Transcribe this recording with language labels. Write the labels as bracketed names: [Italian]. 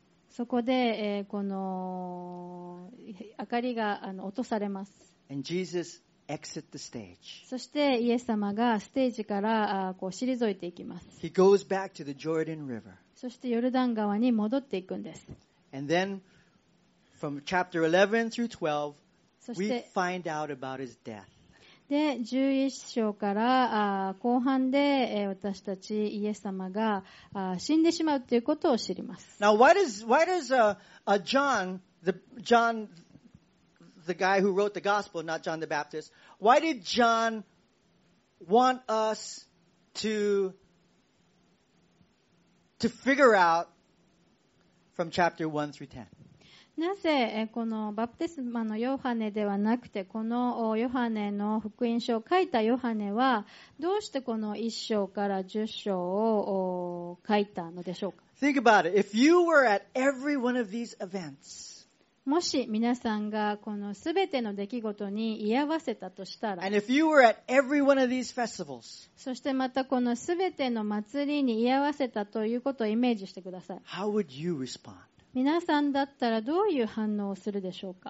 [Japanese] そこで、この明かりが落とされます。 [English] And Jesus exit the stage. [Japanese] そしてイエス様がステージからこう退いていきます。 [English] He goes back to the Jordan River. [Japanese] そしてヨルダン川に戻っていくんです。 [English] And then from chapter 11 through 12, we find out about his death. [Japanese] で11章から後半で私たちイエス様が死んでしまうということを知ります。 [English] Now why does John the guy who wrote the gospel, not John the Baptist. Why did John want us to figure out from chapter 1 through 10? [Japanese] なぜこのバプテスマのヨハネではなくてこのヨハネの福音書を書いたヨハネはどうしてこの1章から10章を書いたのでしょうか? [English] Think about it. If you were at every one of these events, [Japanese] もし皆さんがこのすべての出来事に居合わせたとしたら、 [English] And if you were at every one of these festivals, [Japanese] そしてまたこのすべての祭りに居合わせたということをイメージしてください。 [English] How would you respond? [Japanese] 皆さんだったらどういう反応をするでしょうか?